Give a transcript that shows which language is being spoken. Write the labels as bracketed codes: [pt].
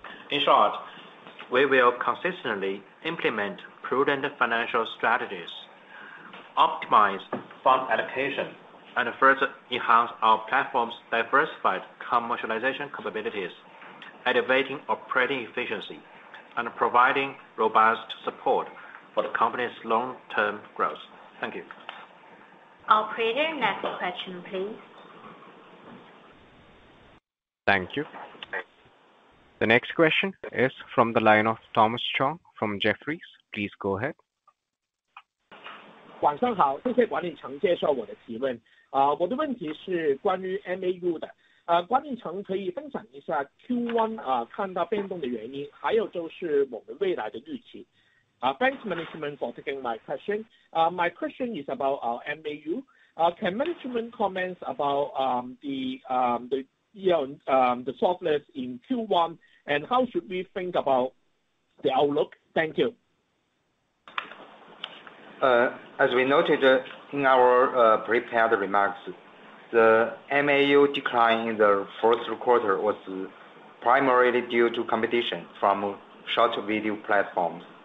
[en] In short, we will consistently implement prudent financial strategies, optimize fund allocation, and further enhance our platform's diversified commercialization capabilities, elevating operating efficiency, and providing robust support for the company's long-term growth. Thank you. Operator, next question, please. Thank you. The next question is from the line of Thomas Chong from Jefferies. Please go ahead. [zh] 晚上好，谢谢管理层接受我的提问。我的问题是关于 MAU 的。管理层可以分享一下 Q1 看到变动的原因，还有就是我们未来的预期。 [en] Thanks management for taking my question. My question is about MAU. Can management comment about the softness in Q1 and how should we think about the outlook? Thank you. As we noted in our prepared remarks, the MAU decline in the first quarter was primarily due to competition from short video platforms.